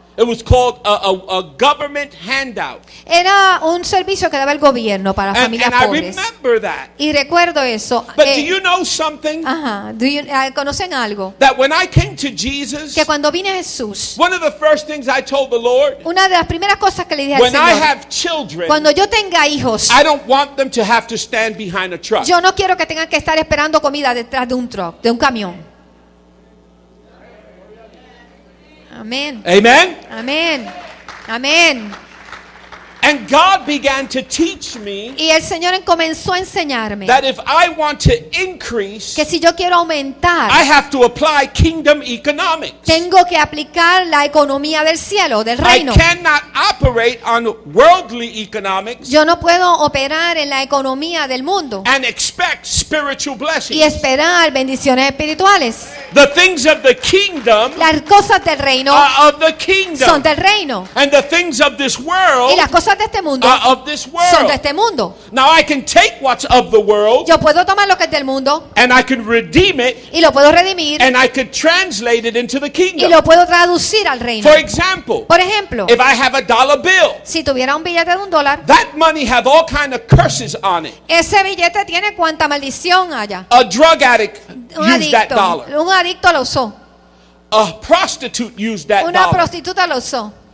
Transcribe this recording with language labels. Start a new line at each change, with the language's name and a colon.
English: It was called a government handout.
Spanish: Era un servicio que daba el gobierno para familias
English: and
Spanish: pobres.
English: I remember that.
Spanish: Y recuerdo eso.
English: But do you know something?
Spanish: ¿Conocen algo?
English: That when I came to Jesus,
Spanish: que cuando vine a Jesús,
English: one of the first things I told the Lord,
Spanish: una de las primeras cosas que le dije
English: when
Spanish: al Señor,
English: I have children,
Spanish: cuando yo tenga hijos,
English: I don't want them to have to stand behind a truck.
Spanish: Yo no quiero que tengan que estar esperando comida detrás de un truck, de un camión.
English: Amen. Amen. Amen. Amen. And God began to teach me.
Spanish: Y el Señor comenzó a enseñarme.
English: That if I want to increase.
Spanish: Que si yo quiero aumentar.
English: I have to apply kingdom economics.
Spanish: Tengo que aplicar la economía del cielo, del reino.
English: I cannot operate on worldly economics.
Spanish: Yo no puedo operar en la economía del mundo.
English: And expect spiritual blessings.
Spanish: Y esperar bendiciones espirituales.
English: The things of the kingdom.
Spanish: Las cosas del reino.
English: Are of the kingdom.
Spanish: Son del reino.
English: And the things of this world.
Spanish: Y las cosas de este mundo
English: of this world.
Spanish: Son de este mundo.
English: Now I can take what's of the world.
Spanish: Yo puedo tomar lo que es del mundo.
English: And I can redeem it.
Spanish: Y lo puedo redimir.
English: And I can translate it into the kingdom.
Spanish: Y lo puedo traducir al reino.
English: For example.
Spanish: Por ejemplo.
English: If I have a dollar bill.
Spanish: Si tuviera un billete de un dólar.
English: That money have all kind of curses on it.
Spanish: Ese billete tiene cuanta maldición haya.
English: A drug addict used that dollar.
Spanish: Un adicto lo usó.
English: A prostitute used that
Spanish: dollar. Una prostituta lo usó.